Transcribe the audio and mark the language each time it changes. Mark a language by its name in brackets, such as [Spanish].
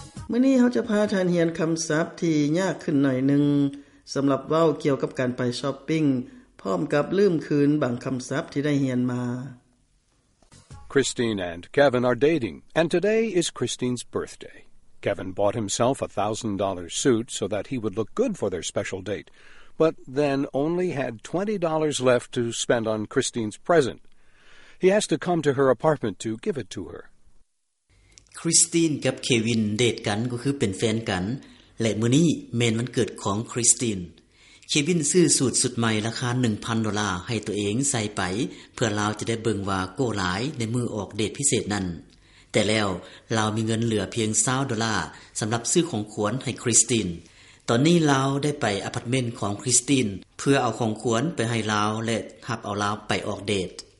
[Northeastern Thai] มื้อนี้เฮาจะพาท่านเรียนคำศัพท์ที่ยากขึ้นหน่อยนึงสำหรับเว้าเกี่ยวกับการไปช้อปปิ้งพร้อมกับลืมคืนบางคำศัพท์ที่ได้เรียนมา [English] Christine and Kevin are dating and today is Christine's birthday. Kevin bought himself a $1,000 suit so that he would look good for their special date, but then only had $20 left to spend on Christine's present. He has to come to her apartment to give it to her. [Northeastern Thai] คริสตินกับเควินเดทกันก็คือเป็นแฟนกันและมื้อนี้แม่นวันเกิดของคริสตินเควินซื้อสูทสุดใหม่ราคา $1,000 ให้ตัวเองใส่ไปเพื่อลาวจะได้เบิ่งว่าโก้หลายในมือออกเดทพิเศษนั่นแต่แล้วลาวมีเงินเหลือเพียง $20สำหรับซื้อของขวัญให้คริสตินตอนนี้ลาวได้ไปอพาร์ตเมนต์ของคริสตินเพื่อเอาของขวัญไปให้ลาวและหับเอาลาวไปออกเดท